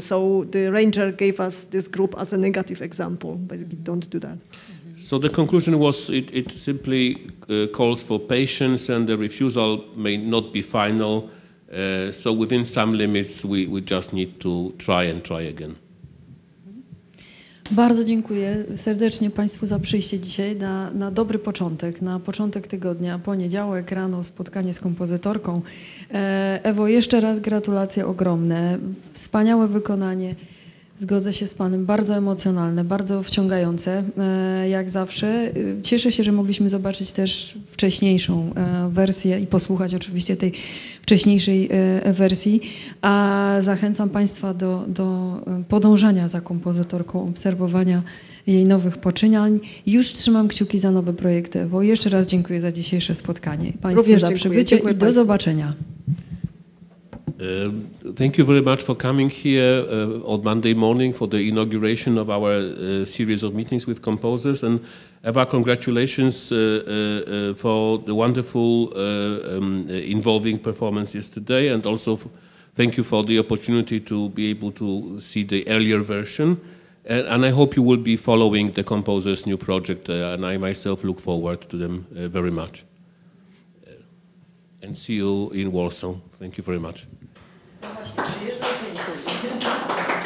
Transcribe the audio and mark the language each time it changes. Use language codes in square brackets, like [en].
[en] So the ranger gave us this group as a negative example. Basically, don't do that. So the conclusion was it simply calls for patience, and the refusal may not be final. So within some limits, we just need to try and try again. [pl] Bardzo dziękuję serdecznie Państwu za przyjście dzisiaj na dobry początek, na początek tygodnia, poniedziałek rano, spotkanie z kompozytorką. Ewo, jeszcze raz gratulacje ogromne, wspaniałe wykonanie. Zgodzę się z Panem, bardzo emocjonalne, bardzo wciągające, jak zawsze. Cieszę się, że mogliśmy zobaczyć też wcześniejszą wersję i posłuchać oczywiście tej wcześniejszej wersji. A zachęcam Państwa do podążania za kompozytorką, obserwowania jej nowych poczynań. Już trzymam kciuki za nowe projekty, bo jeszcze raz dziękuję za dzisiejsze spotkanie. Państwu również za przybycie dziękuję i do zobaczenia. [en] Thank you very much for coming here on Monday morning for the inauguration of our series of meetings with composers. And Eva, congratulations for the wonderful involving performance yesterday. And also thank you for the opportunity to be able to see the earlier version. And I hope you will be following the composer's new project. And I myself look forward to them very much. And see you in Warsaw. Thank you very much. [pl] No właśnie, przyjeżdżam, dziękuję.